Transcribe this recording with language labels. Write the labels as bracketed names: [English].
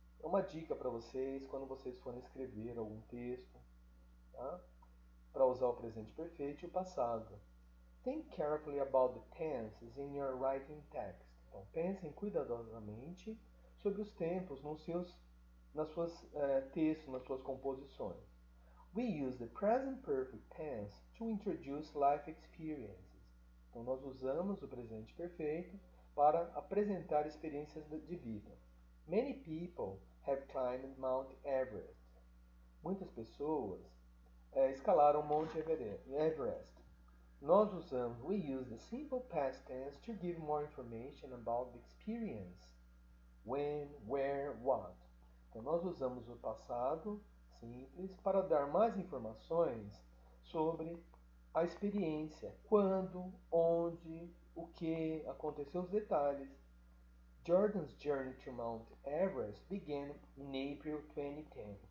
[Portuguese] É uma dica para vocês quando vocês forem escrever algum texto, tá? Para usar o presente perfeito e o passado. [English] Think carefully about the tenses in your writing text. [Portuguese] Então, pensem cuidadosamente sobre os tempos nas suas textos, nas suas composições. [English] We use the present perfect tense to introduce life experiences. [Portuguese] Então, nós usamos o presente perfeito para apresentar experiências de vida. [English] Many people have climbed Mount Everest. [Portuguese] Muitas pessoas escalaram o Monte Everest. Nós usamos, [English] we use the simple past tense to give more information about the experience. When, where, what. [Portuguese] Então, nós usamos o passado simples para dar mais informações sobre a experiência. Quando, onde, o que, aconteceu, os detalhes. [English] Jordan's journey to Mount Everest began in April 2010.